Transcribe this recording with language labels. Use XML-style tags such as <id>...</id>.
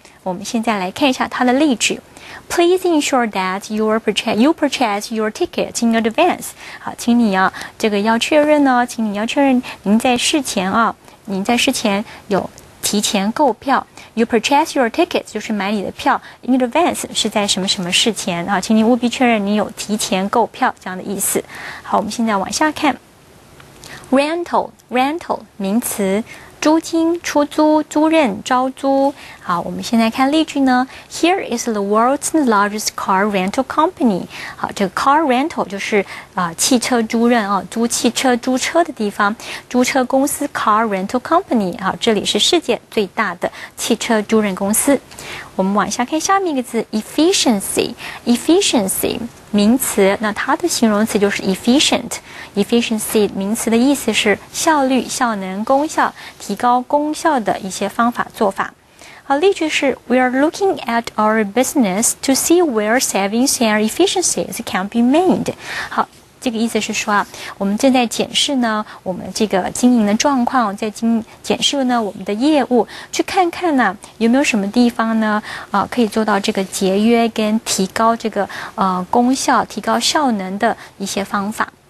<zh>我们现在来看一下它的例句。</zh> <en>Please ensure that you purchase your ticket in advance.</en> <zh>好，请你啊这个要确认呢、哦、请你要确认您在事前啊，您在事前有提前购票。</zh> <en>You purchase your ticket</en> <zh>就是买你的票，</zh> <en>in advance</en> <zh>是在什么什么事前啊，请你务必确认你有提前购票这样的意思。好，我们现在往下看。Rental 名词，租金、出租、租赁、招租。好，我们现在看例句呢。</zh> <en>Here is the world's largest car rental company.</en> <zh>好，这个 car rental 就是汽车租赁啊，租汽车、租车的地方，租车公司 car rental company. 好，这里是世界最大的汽车租赁公司。我们往下看下面一个字 ，efficiency 名词，那它的形容词就是 efficient。 efficiency 名词的意思是效率、效能、功效，提高功效的一些方法、做法。好，例句是</zh> <en>We are looking at our business to see where savings and efficiencies can be made.</en> <zh>好，这个意思是说啊，我们正在检视呢我们这个经营的状况，在检视呢我们的业务，去看看呢有没有什么地方呢可以做到这个节约跟提高这个功效、提高效能的一些方法。</zh>